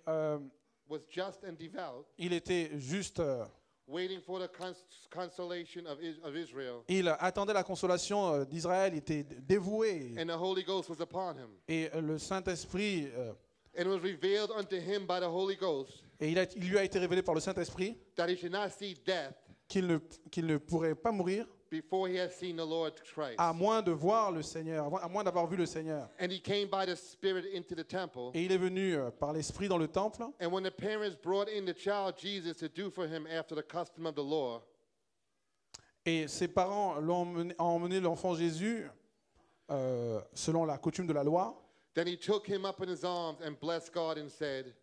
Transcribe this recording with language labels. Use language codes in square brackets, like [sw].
[en] was just and devout, [fr] il était juste. [en] Waiting for the consolation of Israel. [fr] Il attendait la consolation d'Israël. Il était dévoué. [en] And the Holy Ghost was upon him. [fr] Et le Saint-Esprit. [en] And it was revealed unto him by the Holy Ghost. [fr] Et il lui a été révélé par le Saint-Esprit. [en] That he should not see death. [fr] Qu'il ne pourrait pas mourir. [en] Before he had seen the Lord Christ. [fr] À moins de voir le Seigneur, à moins d'avoir vu le Seigneur. [en] And he came by the Spirit into the temple. [fr] Et il est venu par l'Esprit dans le temple. [en] And when the parents brought in the child Jesus to do for him after the custom of the law. [fr] Et ses parents ont emmené l'enfant Jésus selon la coutume de la loi. [en] Then he took him up in his arms and blessed God and said.